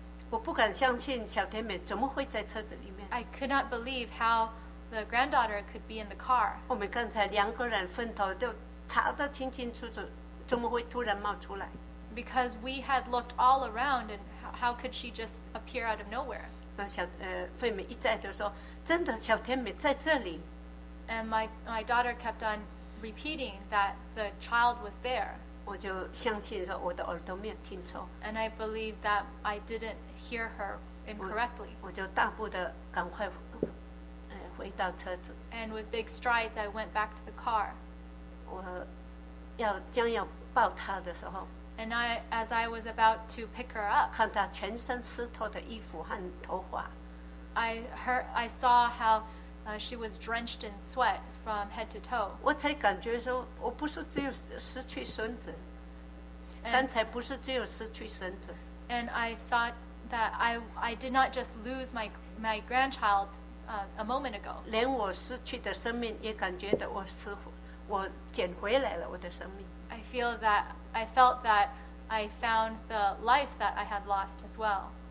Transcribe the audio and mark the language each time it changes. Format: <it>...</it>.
<zh>我不敢相信小天妹怎么会在车子里面。</zh> <en>I could not believe how the granddaughter could be in the car.</en> <zh>我们刚才两个人分头都查得清清楚楚，怎么会突然冒出来？</zh> <en>Because we had looked all around, and how could she just appear out of nowhere?</en> <zh>那小惠美一再地说，真的小天美在这里。</zh> <en>And my daughter kept on repeating that the child was there.</en> <zh>我就相信说我的耳朵没有听错。</zh> <en>And I believe that I didn't hear her incorrectly.</en> <zh>我就大步地赶快回到车子。</zh> <en>And with big strides, I went back to the car.</en> <zh>我要将要抱她的时候。</zh> <en>And I, as I was about to pick her up,</en> <zh>看她全身湿透的衣服和头发。</zh> <en>I saw how she was drenched in sweat from head to toe.</en> <zh>我才感觉说，我不是只有失去孙子。刚才不是只有失去孙子。</zh> <en>And I thought that I did not just lose my grandchild. A moment ago.</en> <zh>连我失去的生命也感觉到我捡回来了我的生命。</zh> <en>I felt that I found the life that I had lost as well.</en>